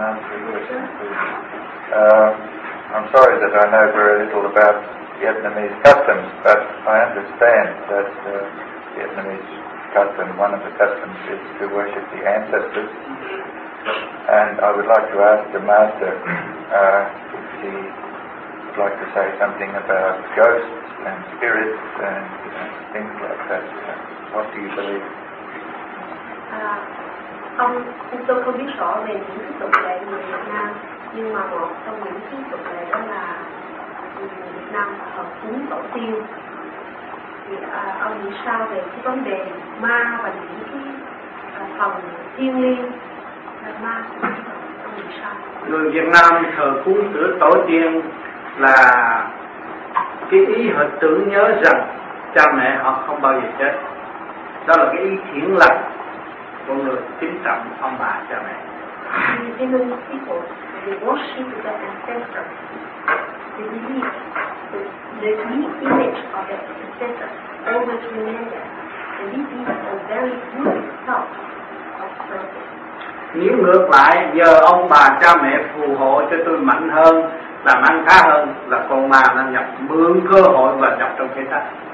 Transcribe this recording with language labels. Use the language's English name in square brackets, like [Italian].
[English] I'm sorry that I know very little about Vietnamese customs, but I understand that Vietnamese custom, one of the customs is to worship the ancestors. And I would like to ask the master if he would like to say something about ghosts and spirits and things like that. What do you believe? [Vietnamese] Ông, tôi không biết rõ về những tục lệ người Việt Nam, nhưng mà một trong những tục lệ đó là người Việt Nam thờ cúng tổ tiên. Thì ông nghĩ sao về cái vấn đề ma và những cái phần thiêng liêng là ma? Ông nghĩ sao? Người Việt Nam thờ cúng tử tổ tiên là cái ý họ tưởng nhớ rằng cha mẹ họ không bao giờ chết. Đó là cái ý thiện lành. [English] The Vietnamese people, they worship their ancestors. They believe that the unique image of their ancestors always remains there. And this is a very good result of service. [Vietnamese] Nếu ngược lại, nhờ ông bà cha mẹ phù hộ cho tôi mạnh hơn, làm ăn khá hơn, là con ma nó nhập mượn cơ hội và nhập trong cái thách.